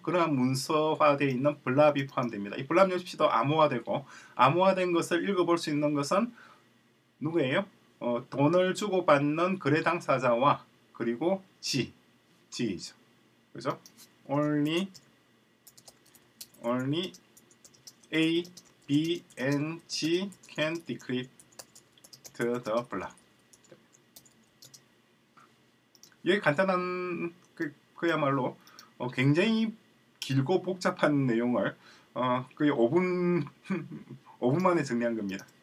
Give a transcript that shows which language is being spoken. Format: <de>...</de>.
<ko>그러한 문서화되어 있는 블랍이 포함됩니다. 이 블랍 역시도 암호화되고 암호화된 것을 읽어볼 수 있는 것은 누구예요? 돈을 주고받는 거래 당사자와 그리고 G죠. 그죠?</ko> <en>Only A B and G can decrypt the block.</en> <ko>이게 간단한 그야말로 굉장히 길고 복잡한 내용을 거의 5분 만에 정리한 겁니다.</ko>